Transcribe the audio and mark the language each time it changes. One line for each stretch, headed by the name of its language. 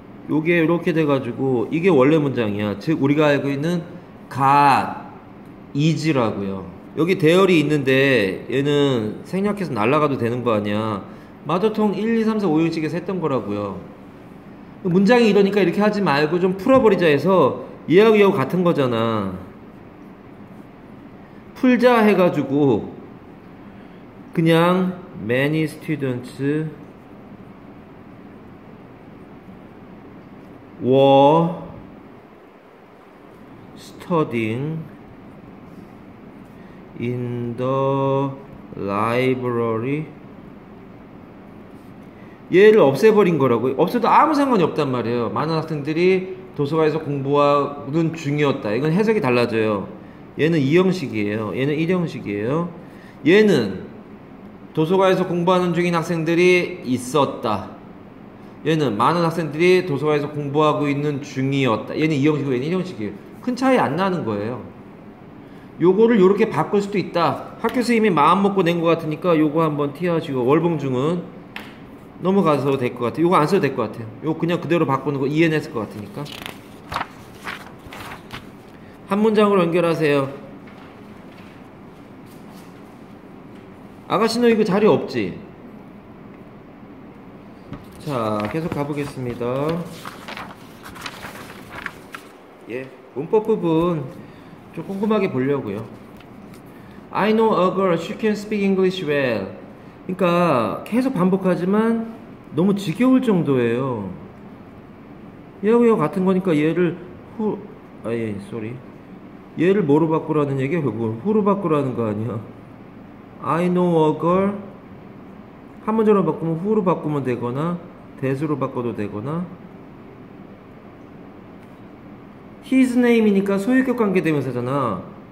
Korean: 요게 이렇게 돼가지고 이게 원래 문장이야. 즉 우리가 알고 있는 got, is라고요. 여기 대열이 있는데 얘는 생략해서 날아가도 되는 거 아니야. 마더통 1, 2, 3, 4, 5, 6, 7에서 했던 거라고요. 문장이 이러니까 이렇게 하지 말고 좀 풀어버리자 해서 얘하고 얘하고 같은 거잖아. 풀자 해가지고 그냥
English: many students were studying in the library.
Korean: 얘를 없애버린 거라고요. 없어도 아무 상관이 없단 말이에요. 많은 학생들이 도서관에서 공부하는 중이었다. 이건 해석이 달라져요. 얘는 2형식이에요. 얘는 1형식이에요. 얘는 도서관에서 공부하는 중인 학생들이 있었다. 얘는 많은 학생들이 도서관에서 공부하고 있는 중이었다. 얘는 2형식이고 얘는 1형식이에요. 큰 차이 안 나는 거예요. 요거를 요렇게 바꿀 수도 있다. 학교 선생님이 마음 먹고 낸 것 같으니까 요거 한번 티어하시고 월봉 중은 넘어가서 될 것 같아요. 요거 안 써도 될 것 같아요. 요거 그냥 그대로 바꾸는 거 이해냈을 것 같으니까. 한 문장으로 연결하세요. 아가씨 너 이거 자리 없지? 자 계속 가보겠습니다. 예, 문법 부분 좀 꼼꼼하게 보려고요.
English: I know a girl, she can speak English well.
Korean: 그러니까 계속 반복하지만 너무 지겨울 정도예요. 얘하고 얘 같은 거니까 얘를 후... 아예 쏘리 얘를 뭐로 바꾸라는 얘기야? 결국 후로 바꾸라는 거 아니야.
English: I know a girl.
Korean: 한 문제로 바꾸면 who로 바꾸면 되거나 that로 바꿔도 되거나 his name이니까 소유격 관계대명사잖아.